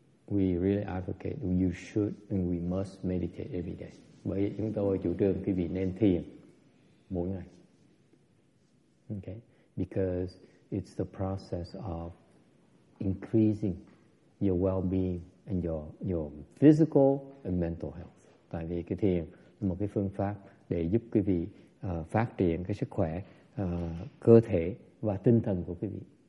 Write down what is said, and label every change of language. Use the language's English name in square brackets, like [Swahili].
[English] We really advocate you should and we must meditate every day. [Vietnamese] Bởi vì chúng tôi chủ trương quý vị nên thiền mỗi ngày. [English] Okay. Because it's the process of increasing your well-being and your physical and mental health. [Vietnamese] Tại vì cái thiền là một cái phương pháp để giúp quý vị phát triển cái sức khỏe cơ thể và tinh thần của quý vị.